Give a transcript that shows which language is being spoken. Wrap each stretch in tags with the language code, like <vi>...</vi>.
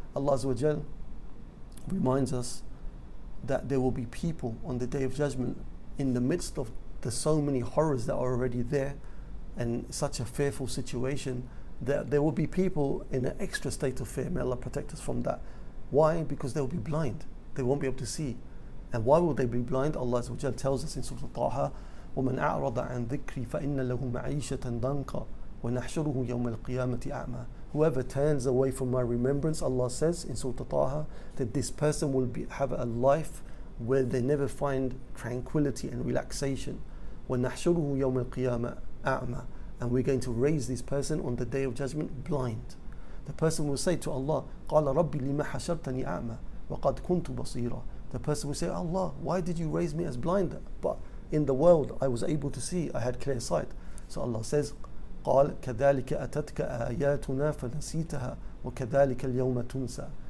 <en>Allah Azza wa Jal reminds us that there will be people on the Day of Judgment, in the midst of the so many horrors that are already there, and such a fearful situation, that there will be people in an extra state of fear. May Allah protect us from that. Why? Because they will be blind. They won't be able to see. And why will they be blind? Allah Azza wa Jalla tells us in Surah Taha,</en> <ar>وَمَنْ أَعْرَضَ عَنْ ذِكْرِي فَإِنَّ لَهُ مَعِيشَةً ضَنْكًا وَنَحْشُرُهُ يَوْمَ الْقِيَامَةِ أَعْمَى.</ar> <en>Whoever turns away from my remembrance, Allah says in Surah Taha, that this person will have a life where they never find tranquility and relaxation.</en> <ar>وَنَحْشُرُهُ يَوْمَ الْقِيَامَةِ أَعْمَى.</ar> <en>And we're going to raise this person on the Day of Judgment blind. The person will say to Allah,</en> <ar>قَالَ رَبِّ لِمَ حَشَرْتَنِي أَعْمَى وَقَدْ كُنْتُ بَصِيرًا.</ar> <en>The person will say, Allah, why did you raise me as blind? But in the world, I was able to see, I had clear sight. So Allah says,</en> <ar>قَالَ كَذَلِكَ أَتَتْكَ آيَاتُنَا فَنَسِيتَهَا وَكَذَلِكَ الْيَوْمَ تُنْسَى.</ar>